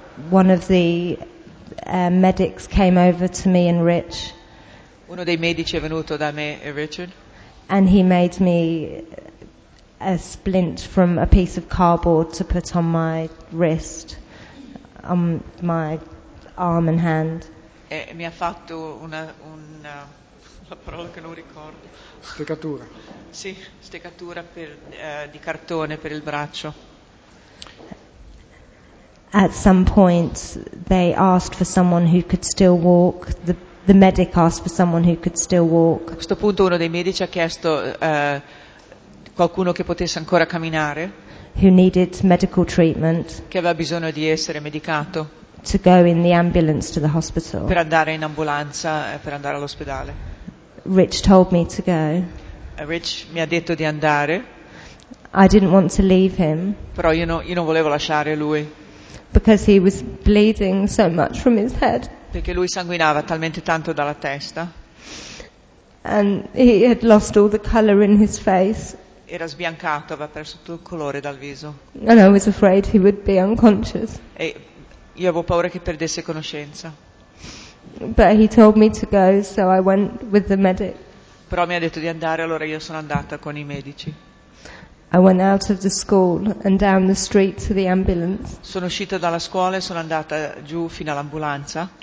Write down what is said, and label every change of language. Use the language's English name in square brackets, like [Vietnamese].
[English] One of the medics came over to me and Rich. [Italian] Uno dei medici è venuto da me e Richard. [English] And he made me a splint from a piece of cardboard to put on my wrist, on my arm and hand. [Italian] E mi ha fatto una la parola che non ricordo. Steccatura. Sì, steccatura di cartone per il braccio. [English] At some point they asked for someone who could still walk. The medic asked for someone who could still walk. [Italian] A questo punto uno dei medici ha chiesto qualcuno che potesse ancora camminare. [English] Who needed medical treatment. [Italian] Che aveva bisogno di essere medicato. [English] To go in the ambulance to the hospital. [Italian] Per andare in ambulanza, per andare all'ospedale. [English] Rich told me to go. [Italian] Rich mi ha detto di andare. [English] I didn't want to leave him. [Italian] Però io non volevo lasciare lui. [English] Because he was bleeding so much from his head. [Italian] Perché lui sanguinava talmente tanto dalla testa. [English] And he had lost all the color in his face. [Italian] Era sbiancato, aveva perso tutto il colore dal viso. [English] And I was afraid he would be unconscious. [Italian] E io avevo paura che perdesse conoscenza. [English] But he told me to go, so I went with the medic. [Italian] Però mi ha detto di andare, allora io sono andata con i medici. [English] I went out of the school and down the street to the ambulance. [Italian] Sono uscita dalla scuola e sono andata giù fino all'ambulanza.